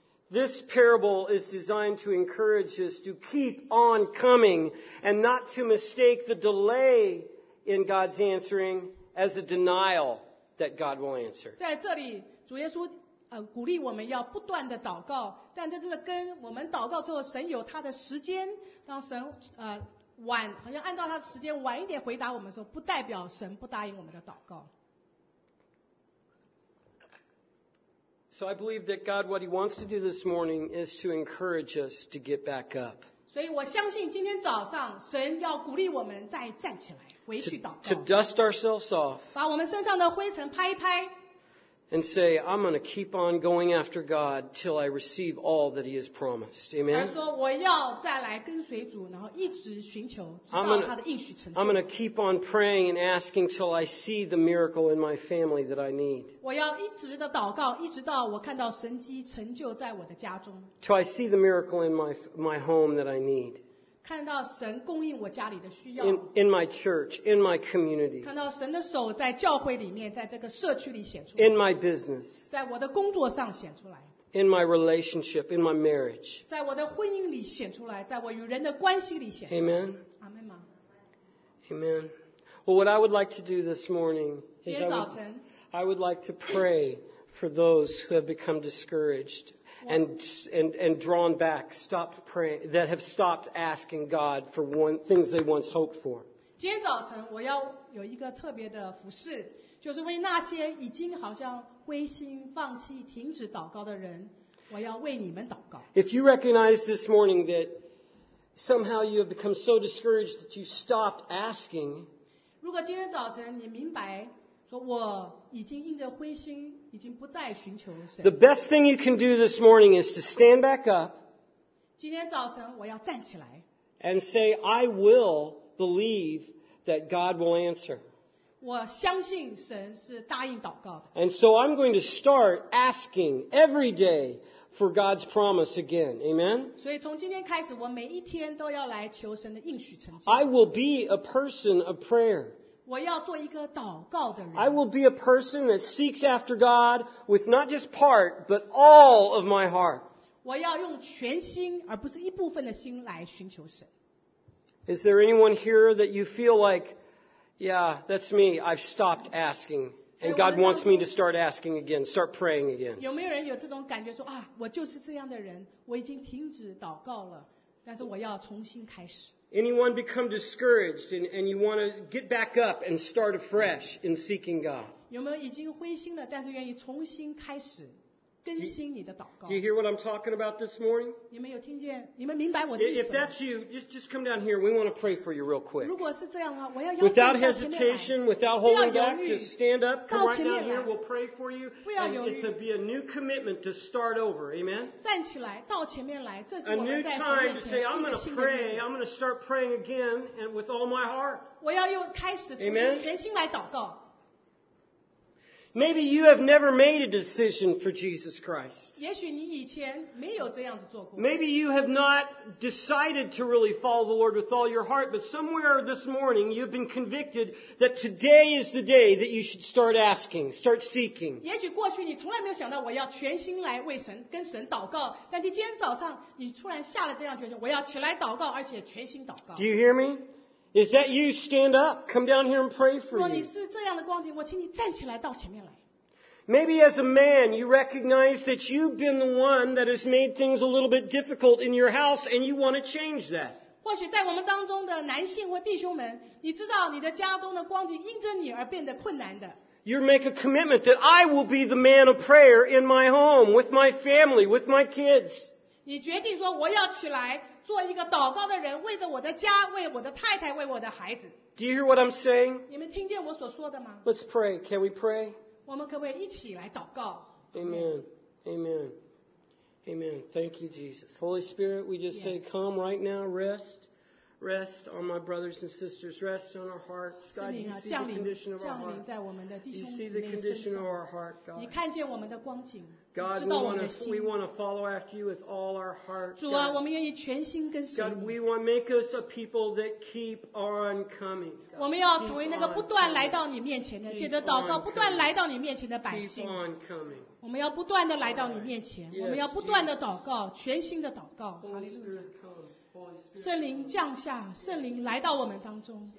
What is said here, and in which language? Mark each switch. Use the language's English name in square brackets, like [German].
[English] This parable is designed to encourage us to keep on coming and not to mistake the delay in God's answering as a denial that God will answer. [Chinese] 在这里, 主耶稣, 鼓励我们要不断地祷告, 但在这个跟我们祷告之后, 神有他的时间, 当神, 晚, 好像按照他的时间, 晚一点回答我们的时候, 不代表神不答应我们的祷告。 [English] So I believe that God, what he wants to do this morning is to encourage us to get back up. [Chinese] 所以我相信今天早上, 神要鼓励我们再站起来, 回去祷告, [English] to dust ourselves off. [Chinese] 把我们身上的灰尘拍一拍, [English] and say, I'm going to keep on going after God till I receive all that he has promised. Amen? [Chinese] 而说我要再来跟随主, 然后一直寻求, [English] I'm going to keep on praying and asking till I see the miracle in my family that I need. [Chinese] 我要一直的祷告, 一直到我看到神迹成就在我的家中, [English] till I see the miracle in my home that I need. [Chinese] 看到神供应我家里的需要, [English] in my church, in my community, [Chinese] 看到神的手在教会里面, 在这个社区里显出, [English] in my business, [Chinese] 在我的工作上显出来, [English] in my relationship, in my marriage, [Chinese] 在我的婚姻里显出来, 在我与人的关系里显出来, [English] amen? Amen. Amen. Well, what I would like to do this morning is [Chinese] 今天早晨, [English] I would like to pray for those who have become discouraged. and drawn back, stopped praying, that have stopped asking God for things they once hoped for. [Chinese] 今天早晨我要有一个特别的服事，就是为那些已经好像灰心放弃停止祷告的人，我要为你们祷告。 [English] If you recognize this morning that somehow you have become so discouraged that you stopped asking, [Chinese] 如果今天早晨你明白说我已经因着灰心已经不再寻求神， [English] The best thing you can do this morning is to stand back up, [Chinese] 今天早晨我要站起来， [English] and say, I will believe that God will answer. [Chinese] 我相信神是答应祷告的。 [English] And so I'm going to start asking every day for God's promise again. Amen? [Chinese] 所以从今天开始我每一天都要来求神的应许成就。 [English] I will be a person of prayer. [Chinese] 我要做一个祷告的人。 [English] I will be a person that seeks after God with not just part, but all of my heart. [Chinese] 我要用全心而不是一部分的心来寻求神。 [English] Is there anyone here that you feel like,Yeah, that's me. I've stopped asking. And God wants me to start asking again, start praying again. [Chinese] 有没有人有这种感觉说啊，我就是这样的人，我已经停止祷告了，但是我要重新开始。 [English] Anyone become discouraged and you want to get back up and start afresh in seeking God? [Chinese] 有没有已经灰心了，但是愿意重新开始更新你的祷告？ [English] Do you hear what I'm talking about this morning? [Chinese] 你们有听见？你们明白我的意思吗？ [English] If that's you, just come down here. We want to pray for you real quick. [Chinese] 如果是这样的话，我要邀请你到前面来。 [English] Without holding back, just stand up. Come right down here. We'll pray for you. [Chinese] 不要犹豫。 [English] And it's to be a new commitment to start over. Amen. [Chinese] 站起来，到前面来。这是我们在神面前一个新的命令。 [English] A new time to say, I'm going to pray. I'm going to start praying again and with all my heart. [Chinese] 我要又开始重新全心来祷告。 [English] Maybe you have never made a decision for Jesus Christ. [Chinese] 也许你以前没有这样子做过。 [English] Maybe you have not decided to really follow the Lord with all your heart, but somewhere this morning you've been convicted that today is the day that you should start asking, start seeking. [Chinese] 也许过去你从来没有想到我要全心来为神跟神祷告，但今天早上你突然下了这样决心，我要起来祷告，而且全心祷告。 [English] Do you hear me? Is that you? Stand up. Come down here and pray for you. [Chinese] 如果你是这样的光景，我请你站起来到前面来。 [English] Maybe as a man, you recognize that you've been the one that has made things a little bit difficult in your house, and you want to change that. [Chinese] 或许在我们当中的男性或弟兄们，你知道你的家中的光景因着你而变得困难的。 [English] You make a commitment that I will be the man of prayer in my home, with my family, with my kids. [Chinese] 你决定说我要起来。做一个祷告的人，为着我的家，为我的太太，为我的孩子。 [English] Do you hear what I'm saying? [Chinese] 你们听见我所说的吗？ [English] Let's pray. Can we pray? [Chinese] 我们可不可以一起来祷告？ [English] Amen. Amen. Amen. Thank you, Jesus. Holy Spirit, we just say, come right now, rest. Rest on my brothers and sisters. Rest on our hearts. God, you see the condition of our hearts. You see the condition of our heart, God. [Chinese] 你看见我们的光景。 [English] God, we want to follow after you with all our heart. [Chinese] 主啊，我们愿意全心跟随。 [English] God, we want to make us a people that keep on coming. [Chinese] 我们要成为那个不断来到你面前的，借着祷告不断来到你面前的百姓。 [English] Keep on coming. [Chinese] 我们要不断的来到你面前，我们要不断的祷告，全心的祷告。哈利路亚。圣灵降下，圣灵来到我们当中。